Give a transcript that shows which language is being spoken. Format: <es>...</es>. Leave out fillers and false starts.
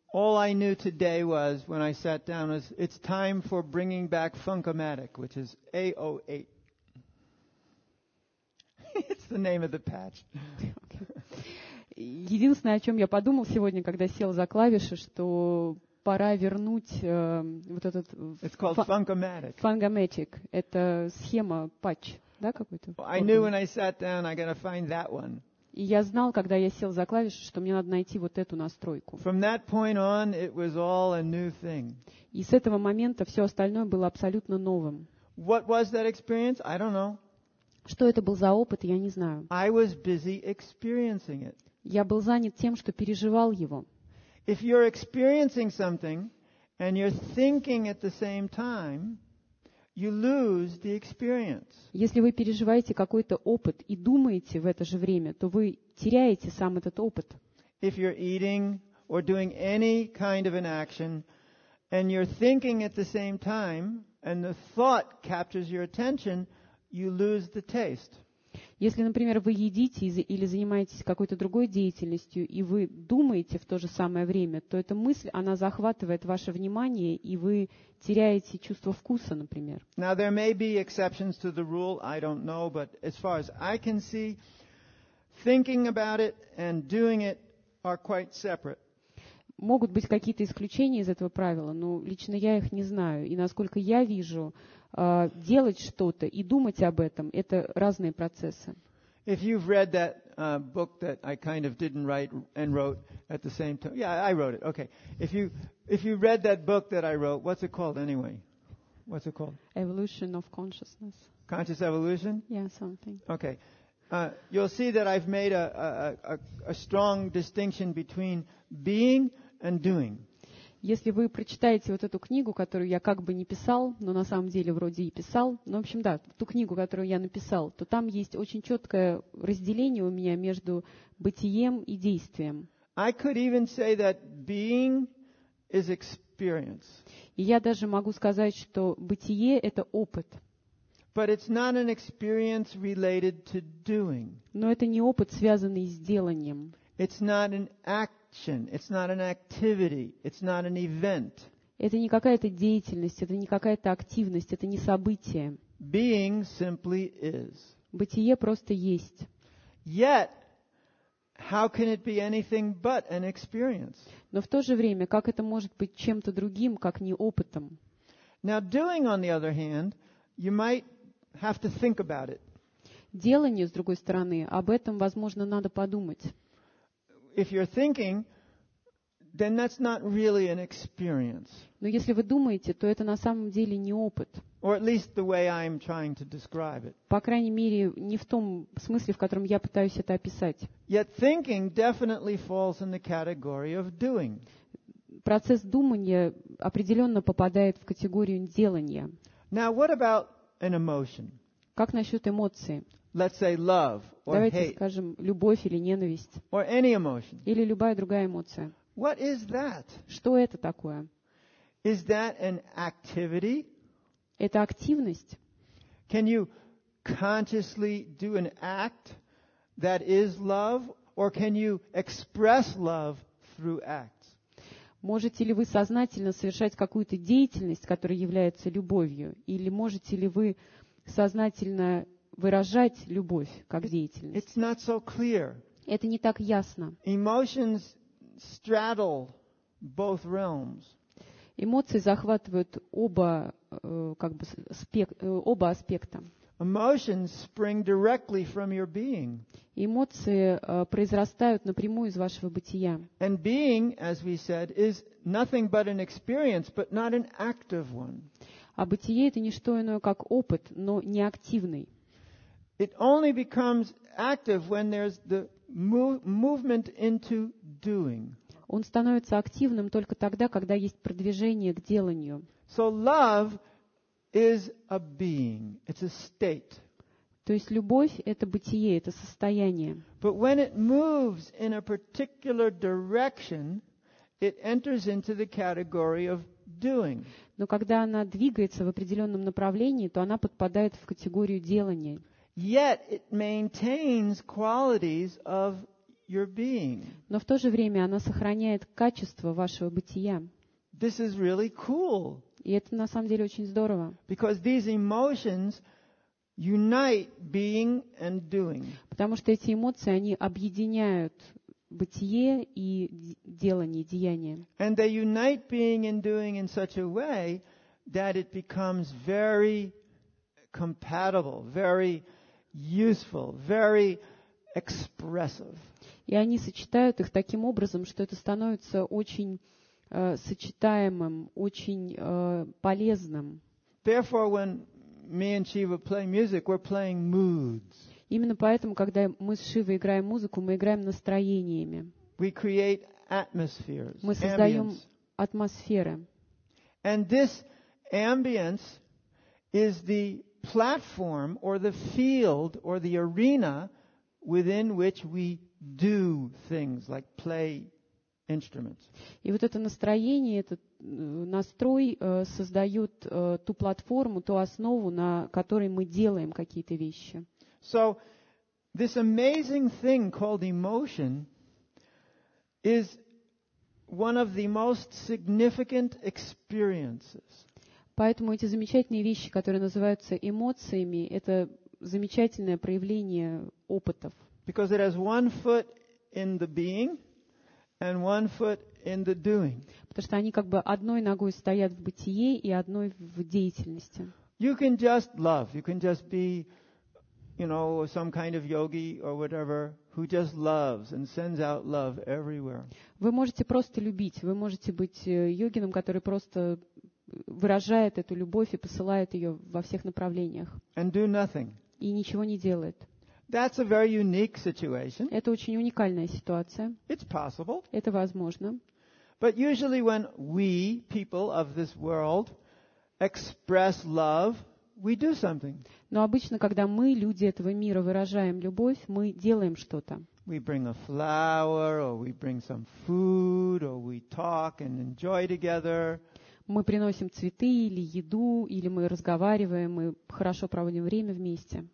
<en>All I knew today was, when I sat down, was it's time for bringing back Funk-O-Matic, which is A08. It's the name of the patch.</en> <ru>Единственное, о чем я подумал сегодня, когда сел за клавиши, что пора вернуть вот этот...</ru> <en>It's called Funk-O-Matic.</en> <ru>Funk-O-Matic. Это схема, патч. Да, какой-то?</ru> <en>I knew when I sat down, I gotta find that one.</en> <ru>И я знал, когда я сел за клавиши, что мне надо найти вот эту настройку.</ru> <en>From that point on, it was all a new thing.</en> <ru>И с этого момента все остальное было абсолютно новым.</ru> <en>What was that experience? I don't know.</en> <ru>Что это был за опыт, я не знаю.</ru> <en>I was busy experiencing it.</en> <ru>Я был занят тем, что переживал его.</ru> <en>If you're experiencing something and you're thinking at the same time, you lose the experience.</en> <ru>Если вы переживаете какой-то опыт и думаете в это же время, то вы теряете сам этот опыт.</ru> <en>If you're eating or doing any kind of an action and you're thinking at the same time and the thought captures your attention, you lose the taste.</en> <ru>Если, например, вы едите или занимаетесь какой-то другой деятельностью, и вы думаете в то же самое время, то эта мысль, она захватывает ваше внимание, и вы теряете чувство вкуса, например.</ru> <en>Now, there may be exceptions to the rule, I don't know, but as far as I can see, thinking about it and doing it are quite separate.</en> <ru>Могут быть какие-то исключения из этого правила, но лично я их не знаю. И насколько я вижу, делать что-то и думать об этом – это разные процессы.</ru> <en>If you've read that book that I kind of didn't write and wrote at the same time, yeah, I wrote it. Okay. If you read that book that I wrote, what's it called anyway? What's it called? Evolution of Consciousness. Conscious Evolution? Yeah, something. Okay. You'll see that I've made a strong distinction between being and doing.</en> <ru>Если вы прочитаете вот эту книгу, которую я как бы не писал, но на самом деле вроде и писал, ну, в общем, да, ту книгу, которую я написал, то там есть очень четкое разделение у меня между бытием и действием.</ru> <en>I could even say that being is experience.</en> <ru>И я даже могу сказать, что бытие – это опыт.</ru> <en>But it's not an experience related to doing.</en> <ru>Но это не опыт, связанный с деланием.</ru> <en>It's not an action. It's not an activity. It's not an event.</en> <ru>Это не какая-то деятельность. Это не какая-то активность. Это не событие.</ru> <en>Being simply is.</en> <ru>Бытие просто есть.</ru> <en>Yet, how can it be anything but an experience?</en> <ru>Но в то же время, как это может быть чем-то другим, как не опытом?</ru> <en>Now, doing, on the other hand, you might have to think about it.</en> <ru>Делание, с другой стороны, об этом, возможно, надо подумать.</ru> <en>If you're thinking, then that's not really an experience.</en> <ru>Но если вы думаете, то это на самом деле не опыт.</ru> <en>Or at least the way I'm trying to describe it.</en> <ru>По крайней мере, не в том смысле, в котором я пытаюсь это описать.</ru> <en>Yet thinking definitely falls in the category of doing.</en> <ru>Процесс думания определенно попадает в категорию делания.</ru> <en>Now, what about an emotion?</en> <ru>Как насчет эмоций?</ru> <en>Let's say love or</en> <ru>Давайте</ru> <en>hate.</en> <ru>Скажем, любовь или ненависть.</ru> <en>Or any emotion.</en> <ru>Или любая другая эмоция.</ru> <en>What is that?</en> <ru>Что это такое?</ru> <en>Is that an activity?</en> <ru>Это активность?</ru> <en>Can you consciously do an act that is love? Or can you express love through acts?</en> <ru>Можете ли вы сознательно совершать какую-то деятельность, которая является любовью? Или можете ли вы сознательно выражать любовь как деятельность?</ru> <en>It's not so clear.</en> <ru>Это не так ясно.</ru> <en>Emotions straddle both realms.</en> <ru>Эмоции захватывают оба, как бы, оба аспекта.</ru> <en>Emotions spring directly from your being.</en> <ru>Эмоции произрастают напрямую из вашего бытия.</ru> <en>And being, as we said, is nothing but an experience, but not an active one.</en> <ru>А бытие — это не что иное, как опыт, но не активный.</ru> <en>It only becomes active when there's the movement into doing.</en> <ru>Он становится активным только тогда, когда есть продвижение к деланию.</ru> <en>So love is a being. It's a state.</en> <ru>То есть любовь — это бытие, это состояние.</ru> <en>But when it moves in a particular direction, it enters into the category of doing.</en> <ru>Но когда она двигается в определенном направлении, то она подпадает в категорию делания.</ru> <en>Yet it maintains qualities of your being.</en> <ru>Но в то же время она сохраняет качество вашего бытия.</ru> <en>This is really cool.</en> <ru>И это на самом деле очень здорово.</ru> <en>Because these emotions unite being and doing.</en> <ru>Потому что эти эмоции, они объединяют бытие и делание, деяние.</ru> <en>And they unite being and doing in such a way that it becomes very compatible, very useful, very expressive.</en> <ru>И они сочетают их таким образом, что это становится очень сочетаемым, очень полезным.</ru> <en>Therefore, when me and Shiva play music, we're playing moods.</en> <ru>Именно поэтому, когда мы с Шивой играем музыку, мы играем настроениями.</ru> <en>We create atmospheres.</en> <ru>Мы создаем атмосферы.</ru> <en>And this ambience is the platform or the field or the arena within which we do things like play instruments.</en> <ru>И вот это настроение, этот настрой создает ту платформу, ту основу, на которой мы делаем какие-то вещи.</ru> <en>So this amazing thing called emotion is one of the most significant experiences.</en> <ru>Поэтому эти замечательные вещи, которые называются эмоциями, это замечательное проявление опытов.</ru> <en>Because it has one foot in the being and one foot in the doing.</en> <ru>Потому что они как бы одной ногой стоят в бытии и одной в деятельности.</ru> <en>You can just love. You can just be, you know, some kind of yogi or whatever who just loves and sends out love everywhere.</en> <ru>Вы можете просто любить. Вы можете быть йогином, который просто выражает эту любовь и посылает ее во всех направлениях.</ru> <en>And do nothing.</en> <ru>И ничего не делает.</ru> <en>That's a very unique situation.</en> <ru>Это очень уникальная ситуация.</ru> <en>It's possible.</en> <ru>Это возможно.</ru> <en>But usually when we, people of this world, express love, we do something.</en> <ru>Но обычно, когда мы, люди этого мира, выражаем любовь, мы делаем что-то.</ru> <en>We bring a flower, or we bring some food, or we talk and enjoy together.</en> <ru>Мы приносим цветы или еду, или мы разговариваем, мы хорошо проводим время вместе.</ru>